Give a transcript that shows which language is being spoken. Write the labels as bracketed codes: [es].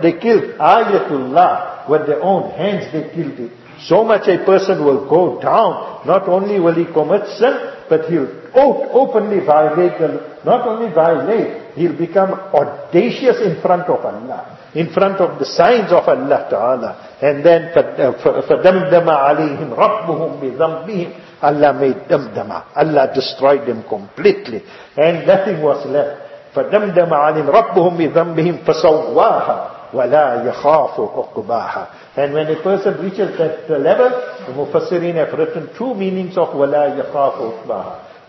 [en] They killed Ayatullah. With their own hands they killed it. So much a person will go down. Not only will he commit sin, but he'll openly violate them. Not only violate, he'll become audacious in front of Allah. In front of the signs of Allah Ta'ala. And then, [ar] فَدَمْدَمَ عَلَيْهِمْ رَبُّهُمْ بِذَنْبِهِمْ. [en] Allah made damdama. Allah destroyed them completely. And nothing was left. [ar] فَدَمْدَمَ عَلِمْ رَبُّهُمْ بِذَنْبِهِمْ فَسَوَّاهَا وَلَا يَخَافُ عُقْبَاهَا. [en] And when a person reaches that level, the Mufassirin have written two meanings of [ar] وَلَا يَخَافُ عُقْبَاهَا.